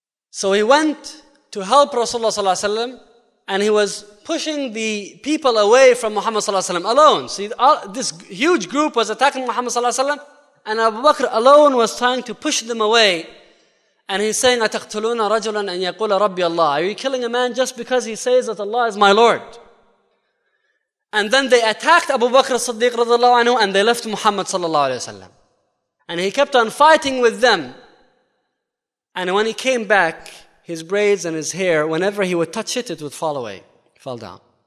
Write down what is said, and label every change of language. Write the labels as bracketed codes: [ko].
[en] So he went to help Rasulullah sallallahu alayhi wa sallam, and he was pushing the people away from Muhammad sallallahu alayhi wa sallam alone. See, this huge group was attacking Muhammad sallallahu alayhi wa sallam, and Abu Bakr alone was trying to push them away. And he's saying, [ar] أَتَقْتُلُونَ رَجُلًا أَنْ يَقُولَ رَبِّيَ اللَّهُ. [en] Are you killing a man just because he says that Allah is my Lord? And then they attacked Abu Bakr as-Siddiq radiallahu anhu, and they left Muhammad sallallahu alayhi wa sallam. And he kept on fighting with them. And when he came back, his braids and his hair, whenever he would touch it, it would fall away, fall down.